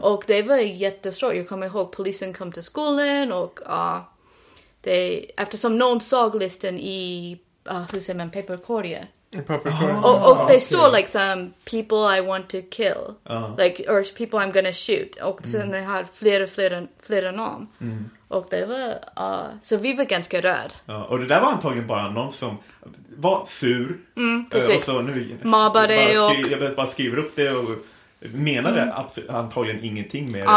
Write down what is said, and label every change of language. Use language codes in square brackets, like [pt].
[sv] Och det var jättestort. Jag kommer ihåg polisen kom till skolan och det, eftersom någon såg listan i hur säger man, papperkorgen. Och det står liksom [en] people I want to kill. Like, or people I'm gonna shoot. [sv] Och sen det hade flera namn. Mm. Och det var så vi var ganska röd. Ja, och det där var antagligen bara någon som var sur. Mm, precis. Och så nu mobbade och jag bara skriver upp det och menade antagligen ingenting med